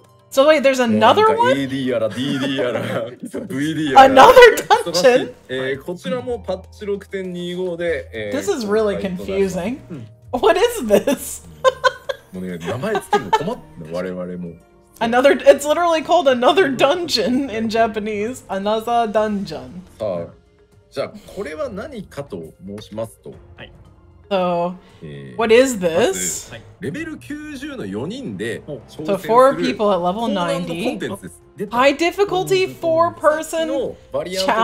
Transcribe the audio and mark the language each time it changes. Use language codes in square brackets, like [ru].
[en] So wait, there's another one? [ja] AD やら DD やら VD やら [en] Another dungeon? [ja] こちらもパッチ 6.25 で [en] This is really confusing. What is this? [ja] もうね、名前つけるの困ったの、我々も。 [en] Another, it's literally called another dungeon in Japanese. Another dungeon. [ja] さあ、じゃあこれは何かと申しますと。はい。 [en] So, what is this? [ja] Level 90の4人で [en] So, 4 people at level 90. High difficulty 4 person challenge?